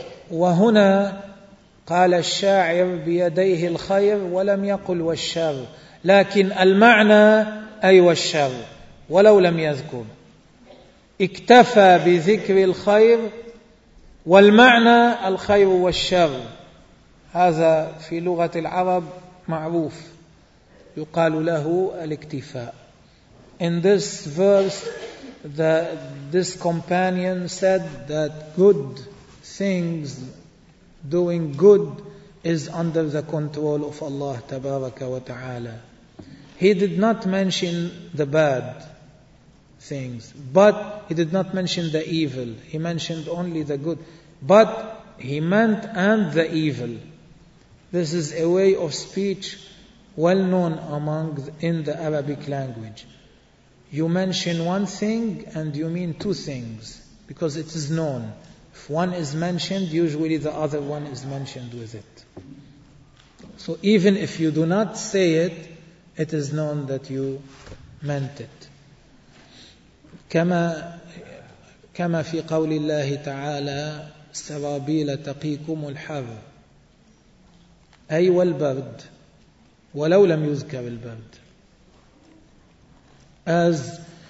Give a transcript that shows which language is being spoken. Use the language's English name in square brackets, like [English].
[Arabic] وهنا قال الشاعر بيديه الخير ولم يقل والشر، لكن المعنى أي والشر ولو لم يذكر، اكتفى بذكر الخير والمعنى الخير والشر. هذا في لغة العرب معروف، يقال له الاكتفاء. [English] In this verse, this companion said that good things, doing good, is under the control of Allah Tabaraka wa Ta'ala. He did not mention the bad things, but he did not mention the evil. He mentioned only the good, but he meant and the evil. This is a way of speech well known among in the Arabic language. You mention one thing and you mean two things, because it is known. If one is mentioned, usually the other one is mentioned with it. So even if you do not say it, it is known that you meant it. [Arabic] كما في قول الله تعالى سرابيل تقيكم الحر، أي والبرد ولو لم يذكر البرد. As